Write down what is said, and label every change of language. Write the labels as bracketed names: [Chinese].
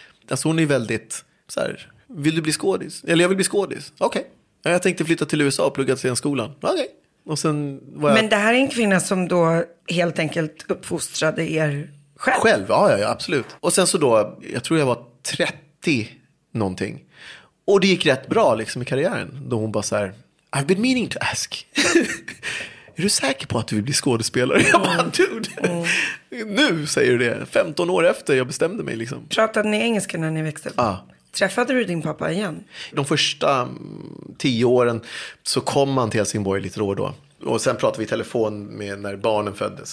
[Swedish] Alltså hon är väldigt så här, vill du bli skådis? Eller jag vill bli skådis. Okej. Jag tänkte flytta till USA och plugga till en skolan. Okej. Okay. Men det här är en kvinna som då helt enkelt uppfostrade er själv? Själv, ja, absolut. Och sen så då, jag tror jag var 30-någonting. Och det gick rätt bra liksom i karriären. Då hon bara så här, [English] I've been meaning to ask. [Swedish] Är du säker på att du vill bli skådespelare? Jag bara, dude. Mm. Nu säger du det. 15 år efter jag bestämde mig liksom. Pratade ni engelska när ni växte? Ja. Ah. Träffade du din pappa igen? De första 10 åren så kom han till Helsingborg lite då och då. Och sen pratade vi i telefon med när barnen föddes.